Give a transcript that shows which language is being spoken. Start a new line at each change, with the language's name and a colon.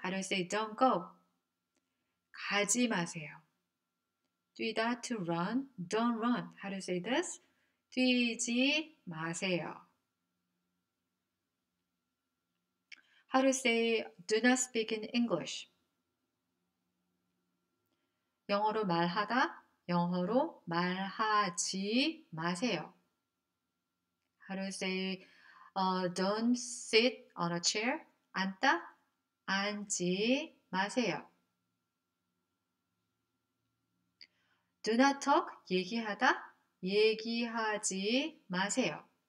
English: How do you say don't go?
Korean: 가지 마세요.
English: 뛰다, to run, don't run. How to say this?
Korean: 뛰지 마세요.
English: How to say do not speak in English?
Korean: 영어로 말하다, 영어로 말하지 마세요.
English: How to say don't sit on a chair?
Korean: 앉다, 앉지 마세요.
English: Do not talk,
Korean: 얘기하다, 얘기하지 마세요.